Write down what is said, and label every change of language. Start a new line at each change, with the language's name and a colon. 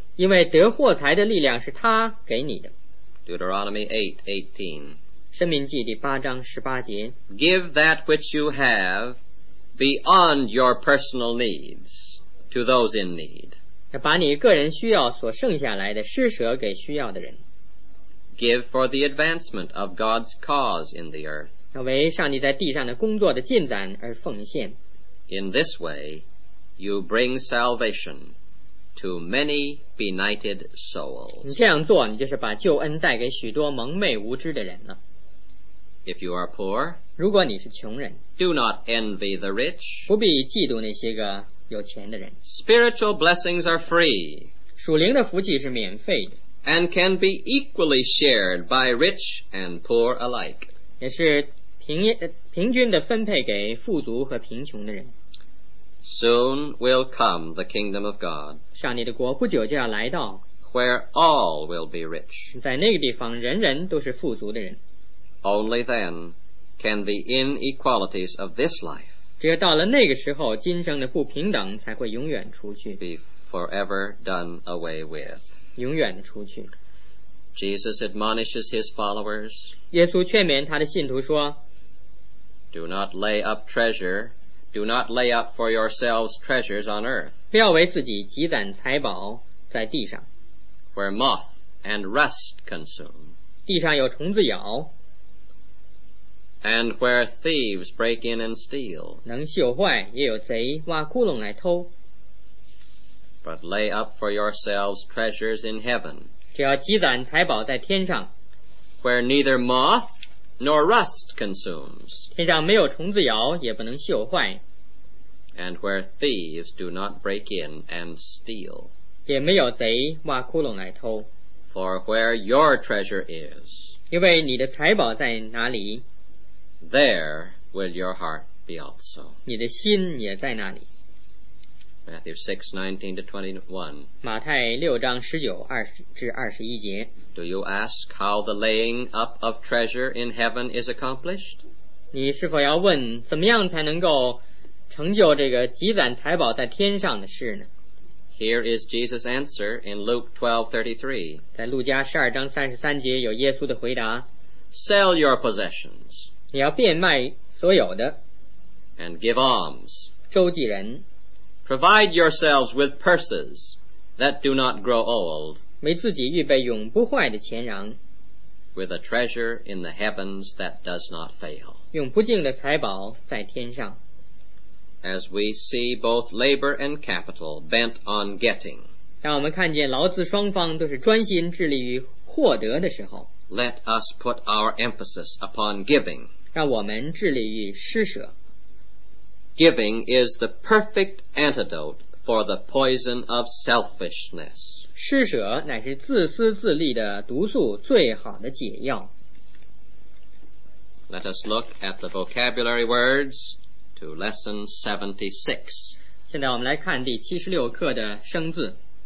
Chinese: 因为得获财的力量是他给你的。
English: Deuteronomy 8:18
Chinese: 申命记第八章十八节。
English: Give that which you have beyond your personal needs to those in need.
Chinese: 把你个人需要所剩下来的施舍给需要的人。
English: Give for the advancement of God's cause in the earth.
Chinese: 为上帝在地上的工作的进展而奉献。
English: In this way, you bring salvation to many benighted souls.
Chinese: 你这样做，你就是把救恩带给许多蒙昧无知的人了。
English: If you are poor,
Chinese: 如果你是穷人,
English: do not envy the rich.
Chinese: 不必嫉妒那些个有钱的人。
English: Spiritual blessings are free.
Chinese: 属灵的福气是免费的。
English: And can be equally shared by rich and poor alike.
Chinese: 也是平均的分配给富足和贫穷的人。
English: Soon will come the kingdom of God.
Chinese: 上帝的国不久就要来到。
English: Where all will be rich.
Chinese: 在那个地方人人都是富足的人。
English: Only then can the inequalities of this life,
Chinese: 只有到了那个时候，今生的不平等才会永远除去，
English: be forever done away with,
Chinese: 永远的除去。
English: Jesus admonishes his followers,
Chinese: 耶稣劝勉他的信徒说，
English: Do not lay up treasure, do not lay up for yourselves treasures on earth,
Chinese: 不要为自己积攒财宝在地上，
English: where moth and rust consume,
Chinese: 地上有虫子咬，
English: And where thieves break in and steal.
Chinese: 能朽坏，也有贼挖窟窿来偷。
English: But lay up for yourselves treasures in heaven.
Chinese: 只要积攒财宝在天上。
English: Where neither moth nor rust consumes.
Chinese: 天上没有虫子咬，也不能朽坏。
English: And where thieves do not break in and steal.
Chinese: 也没有贼挖窟窿来偷。
English: For where your treasure is.
Chinese: 因为你的财宝在哪里，
English: There will your heart be also.
Chinese: 你的心也在那里。
English: Matthew 6:19-21.
Chinese: 马太六章十九至二十一节。
English: Do you ask how the laying up of treasure in heaven is accomplished?
Chinese: 你是否要问怎么样才能够成就这个积攒财宝在天上的事呢？
English: Here is Jesus' answer in Luke 12:33.
Chinese: 在路加十二章三十三节有耶稣的回答。
English: Sell your possessions.
Chinese: 你要变卖所有的
English: and give alms,
Chinese: 周济人
English: provide yourselves with purses that do not grow old,
Chinese: 为自己预备永不坏的钱囊
English: with a treasure in the heavens that does not fail,
Chinese: 永不尽的财宝在天上。
English: As we see both labor and capital bent on getting,
Chinese: 让我们看见劳资双方都是专心致力于获得的时候，
English: Let us put our emphasis upon giving.
Chinese: 让我们致力于施舍。
English: Giving is the perfect antidote for the poison of selfishness.
Chinese: 施舍乃是自私自利的毒素最好的解药。
English: Let us look at the vocabulary words to lesson 76.
Chinese: 现在我们来看第七十六课的生字。